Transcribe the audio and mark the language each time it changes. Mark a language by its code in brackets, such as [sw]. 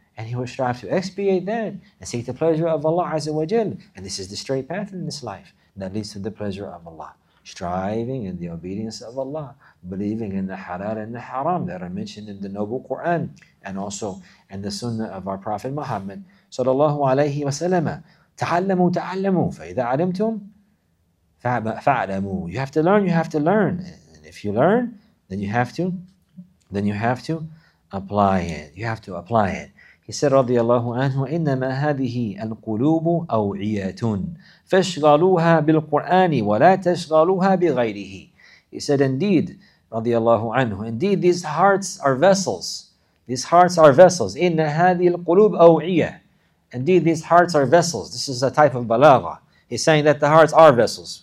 [en] And he will strive to expiate that and seek the pleasure of Allah Azza wa Jal. And this is the straight path in this life that leads to the pleasure of Allah. Striving in the obedience of Allah. Believing in the halal and the haram that are mentioned in the noble Quran. And also in the sunnah of our Prophet Muhammad sallallahu alayhi wa sallam. [ar] تعلموا تعلموا فإذا علمتم فعلموا. [en] You have to learn, you have to learn. And if you learn, then you have to apply it. You have to apply it. He said, [ar] رضي الله عنه, إنما هذه القلوب أوعية فاشغلوها بالقرآن ولا تشغلوها بغيره. [en] He said, indeed, [ar] رضي الله عنه, [en] indeed, these hearts are vessels. These hearts are vessels. [ar] إِنَّ هَذِي الْقُلُوبِ أَوْعِيَةِ. [en] Indeed, these hearts are vessels. This is a type of balagha. He's saying that the hearts are vessels.